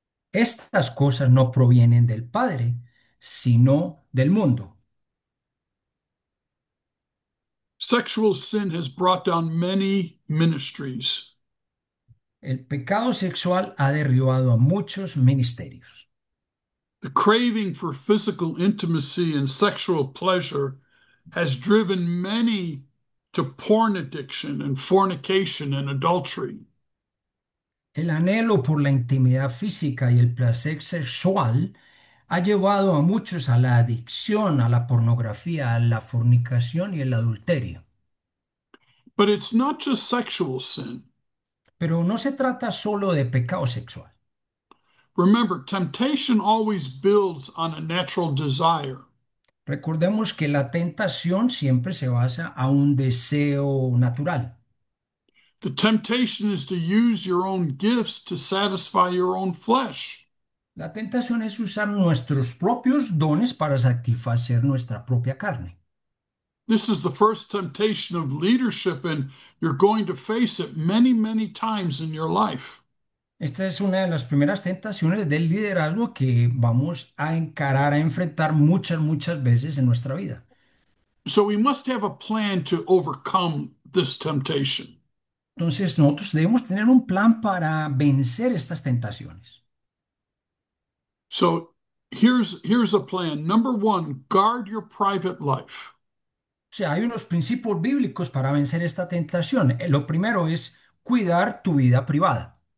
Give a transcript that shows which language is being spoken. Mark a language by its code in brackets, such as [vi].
[es] Estas cosas no provienen del Padre, sino del mundo. [en] Sexual sin has brought down many ministries. [es] El pecado sexual ha derribado a muchos ministerios. [en] The craving for physical intimacy and sexual pleasure has driven many to porn addiction and fornication and adultery. [es] El anhelo por la intimidad física y el placer sexual ha llevado a muchos a la adicción, a la pornografía, a la fornicación y el adulterio. [en] But it's not just sexual sin. [es] Pero no se trata solo de pecado sexual. [en] Remember, temptation always builds on a natural desire. [es] Recordemos que la tentación siempre se basa a un deseo natural. [en] The temptation is to use your own gifts to satisfy your own flesh. [es] La tentación es usar nuestros propios dones para satisfacer nuestra propia carne. [en] This is the first temptation of leadership, and you're going to face it many, many times in your life. [es] Esta es una de las primeras tentaciones del liderazgo que vamos a encarar, a enfrentar muchas, muchas veces en nuestra vida. [en] So we must have a plan to overcome this temptation. [es] Entonces, nosotros debemos tener un plan para vencer estas tentaciones. [en] So here's a plan. Number one, guard your private life. [es] O sea, hay unos principios bíblicos para vencer esta tentación. Lo primero es cuidar tu vida privada.